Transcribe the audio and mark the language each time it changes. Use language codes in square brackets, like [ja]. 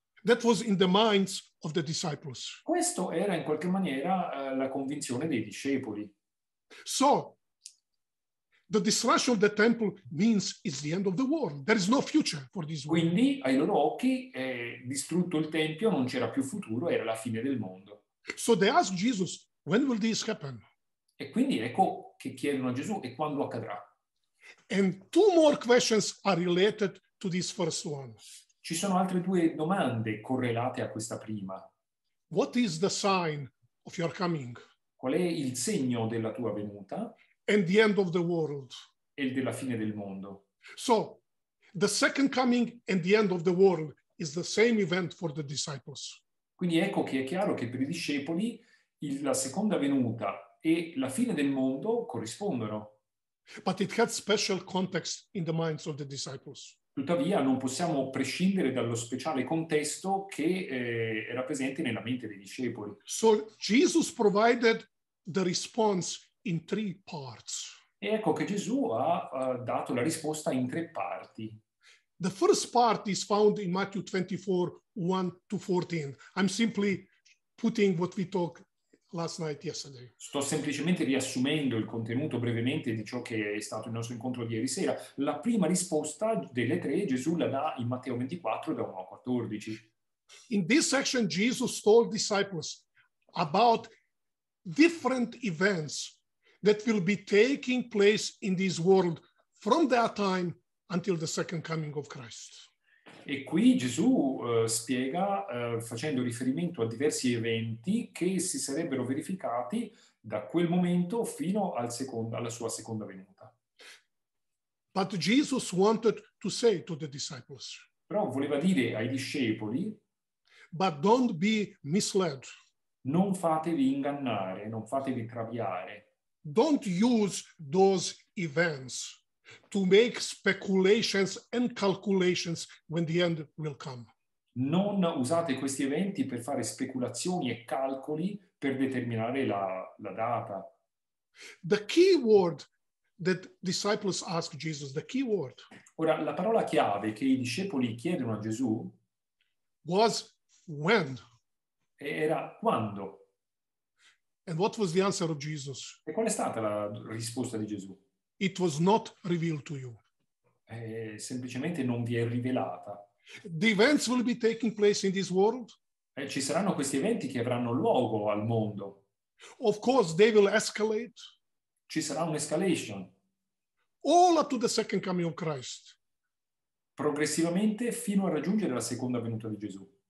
[en] That was in the minds of the disciples. [it] Questo era in qualche maniera la convinzione dei discepoli. [en] So the destruction of the temple means it's the end of the world. There is no future for this world. [it] Quindi ai loro occhi è distrutto il tempio, non c'era più futuro, era la fine del mondo. [en] So they ask Jesus, when will this happen? [it] E quindi ecco che chiedono a Gesù, e quando accadrà? [en] And two more questions are related to this first one. [it] Ci sono altre due domande correlate a questa prima. [en] What is the sign of your coming? [it] Qual è il segno della tua venuta? [en] And the end of the world. [it] E della fine del mondo. [en] So, the second coming and the end of the world is the same event for the disciples. [it] Quindi ecco che è chiaro che per i discepoli la seconda venuta e la fine del mondo corrispondono. [en] But it had special context in the minds of the disciples. [it] Tuttavia non possiamo prescindere dallo speciale contesto che era presente nella mente dei discepoli. [en] So Jesus provided the response in three parts. [it] E ecco che Gesù ha dato la risposta in tre parti. [en] The first part is found in Matthew 24:1-14. I'm simply putting what we talked last night, yesterday. [it] Sto semplicemente riassumendo il contenuto brevemente di ciò che è stato il nostro incontro di ieri sera. La prima risposta delle tre Gesù la dà in Matteo 24:1-14. [en] In this section Jesus told disciples about different events that will be taking place in this world from that time until the second coming of Christ. [it] E qui Gesù spiega, facendo riferimento a diversi eventi che si sarebbero verificati da quel momento fino alla sua seconda venuta. [en] But Jesus wanted to say to the disciples. [it] Però voleva dire ai discepoli. [en] But don't be misled. [it] Non fatevi ingannare, non fatevi traviare. [en] Don't use those events to make speculations and calculations when the end will come. [it] Non usate questi eventi per fare speculazioni e calcoli per determinare la data. [en] The key word that disciples ask Jesus, the key word. [it] Ora, la parola chiave che i discepoli chiedono a Gesù [en] was when. [it] Era quando. [en] And what was the answer of Jesus? [it] E qual è stata la risposta di Gesù? [en] It was not revealed to you. [it] Semplicemente non vi è rivelata. [en] The events will be taking place in this world. [it] Ci saranno questi eventi che avranno luogo al mondo. [en] Of course they will escalate. [it] Ci sarà un'escalation. [en] All up to the second coming of Christ. [it] Progressivamente fino a raggiungere la seconda venuta di Gesù.